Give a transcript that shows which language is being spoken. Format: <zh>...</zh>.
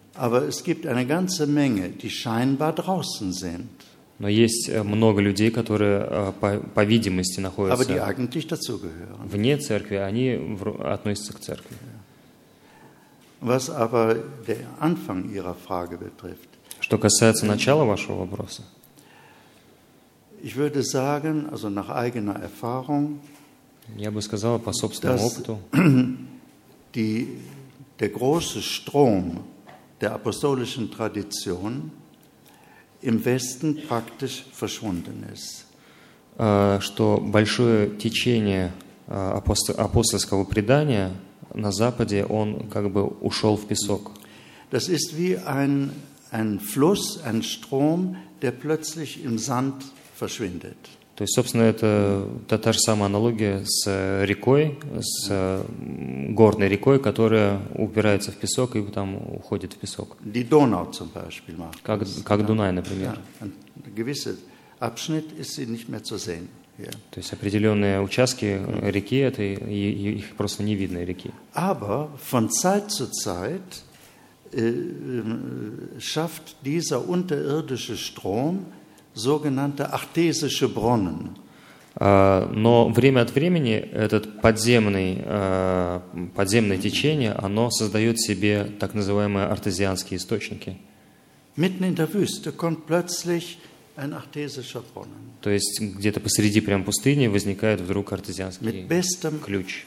<de>Aber es gibt eine ganze Menge, die scheinbar draußen sind.</de> <ru>Но есть много людей, которые, по видимости, находятся</ru> <de>aber die eigentlich dazu gehören.</de> <ru>Вне церкви, они относятся к церкви.</ru> <de>Was aber der Anfang Ihrer Frage betrifft.</de> <ru>Что касается начала вашего вопроса,</ru> <de>ich würde sagen, also nach eigener Erfahrung,</de> <ru>я бы сказал, по собственному опыту,</ru> <de>der große Strom der apostolischen Tradition im Westen praktisch verschwunden ist.</de> <ru>Что большое течение апостольского предания на Западе, он как бы ушел в песок.</ru> <de>Das ist wie ein Fluss, ein Strom, der plötzlich im Sand verschwindet.</de> <ru>То есть, собственно, это та же самая аналогия с рекой, с горной рекой, которая упирается в песок и там уходит в песок.</ru> <de>Die Donau zum Beispiel,</de> <ru>как Дунай, например.</ru> <de>Ein gewisser Abschnitt ist sie nicht mehr zu sehen.</de> <ru>То есть определенные участки реки, это их просто не видно, реки.</ru> <de>Aber von Zeit zu Zeit schafft dieser unterirdische Strom sogenannte artesische Brunnen.</de> <ru>Но время от времени этот подземное течение, оно создает себе так называемые артезианские источники.</ru> <de>Mitten in der Wüste kommt plötzlich ein artesischer Brunnen.</de> <ru>То есть где-то посреди прям пустыни возникает вдруг артезианский ключ.</ru>